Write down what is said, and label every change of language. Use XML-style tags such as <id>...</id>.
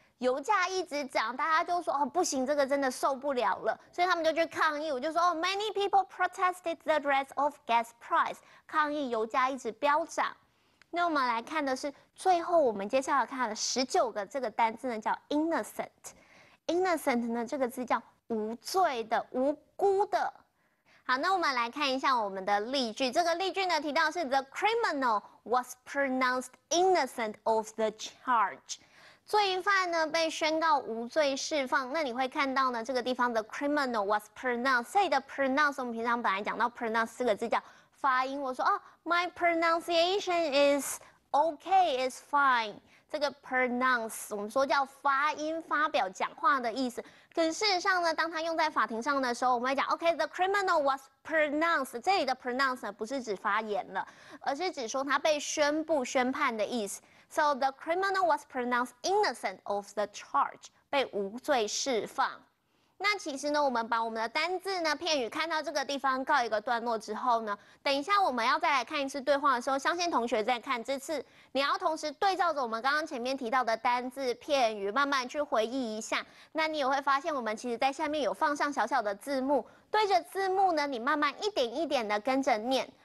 <zh>油价一直涨，大家就说哦，不行，这个真的受不了了，所以他们就去抗议。我就说哦 ，</zh> <en>many people protested the rise of gas price，</en> <zh>抗议油价一直飙涨。那我们来看的是最后我们接下来看的十九个这个单字呢，叫 innocent。 innocent 呢，这个字叫无罪的、无辜的。好，那我们来看一下我们的例句。这个例句呢，提到是</zh> <en>the criminal was pronounced innocent of the charge。</en> <zh>罪犯呢被宣告无罪释放，那你会看到呢，这个地方的 criminal was pronounced， 这里的 pronounce 我们平常本来讲到 pronounce 四个字叫发音，我说哦 ，</zh> <en>my pronunciation is okay， is fine，</en> <zh>这个 pronounce 我们说叫发音、发表、讲话的意思。可是事实上呢，当它用在法庭上的时候，我们会讲</zh> <en>okay， the criminal was pronounced，</en> <zh>这里的 pronounce 呢不是指发言了，而是指说他被宣布、宣判的意思。</zh> <en>So the criminal was pronounced innocent of the charge,</en> <zh>被无罪释放。那其实呢，我们把我们的单字呢、片语看到这个地方告一个段落之后呢，等一下我们要再来看一次对话的时候，相信同学在看这次，你要同时对照着我们刚刚前面提到的单字、片语，慢慢去回忆一下。那你也会发现，我们其实在下面有放上小小的字幕，对着字幕呢，你慢慢一点一点的跟着念。</zh>